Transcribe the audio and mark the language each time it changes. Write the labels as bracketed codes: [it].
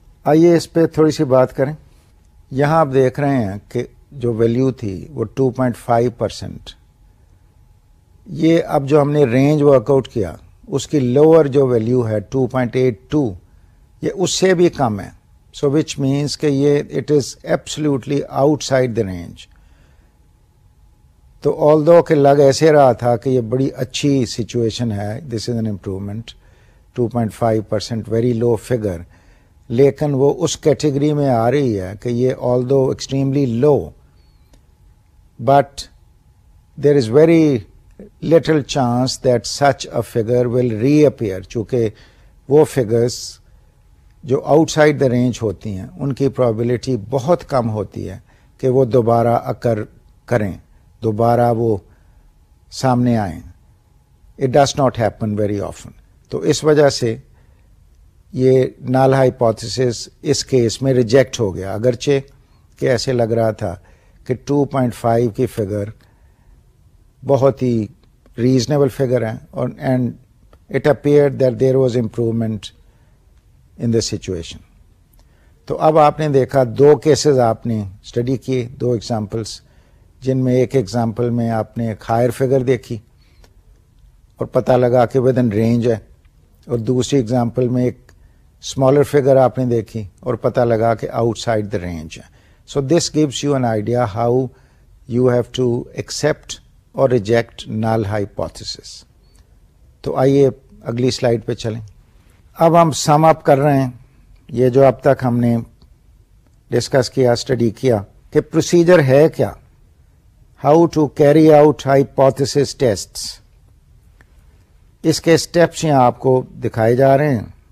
[ur] آئیے اس پہ تھوڑی سی بات کریں. یہاں آپ دیکھ رہے ہیں کہ جو ویلیو تھی وہ 2.5%, یہ اب جو ہم نے رینج ورک آؤٹ کیا اس کی لوور جو ویلیو ہے 2.82, یہ اس سے بھی کم ہے. [en] so which means [ur] کہ یہ [en] It is absolutely outside the range. [ur] تو آل دو کہ لگ ایسے رہا تھا کہ یہ بڑی اچھی سچویشن ہے, [en] this is an improvement, 2.5% very low figure, [ur] لیکن وہ اس کیٹیگری میں آ رہی ہے کہ یہ [en] Although extremely low but there is very little chance that such a figure will reappear. [ur] چونکہ وہ figures جو [en] outside the range [ur] ہوتی ہیں ان کی probability بہت کم ہوتی ہے کہ وہ دوبارہ occur کریں, دوبارہ وہ سامنے آئیں. [en] It does not happen very often. [ur] تو اس وجہ سے یہ نال hypothesis اس کیس میں reject ہو گیا, اگرچہ کہ ایسے لگ رہا تھا کہ 2.5 کی فگر بہت ہی ریزنیبل فگر ہے, اور [en] And it appeared that there was improvement in the situation. [ur] تو اب آپ نے دیکھا دو کیسز آپ نے اسٹڈی کیے, دو ایگزامپلس جن میں ایک ایگزامپل میں آپ نے ایک ہائر فگر دیکھی اور پتہ لگا کہ [en] within range [ur] ہے, اور دوسری ایگزامپل میں ایک اسمالر فگر آپ نے دیکھی اور پتہ لگا کہ [en] outside the range [ur] ہے. [en] So this gives you an idea how you have to accept or reject null hypothesis. [ur] تو آئیے اگلی سلائیڈ پہ چلیں. اب ہم سم اپ کر رہے ہیں یہ جو اب تک ہم نے ڈسکس کیا, اسٹڈی کیا کہ پروسیجر ہے کیا, [en] How to carry out hypothesis tests. [ur] اس کے اسٹیپس یہاں آپ کو دکھائے جا رہے ہیں.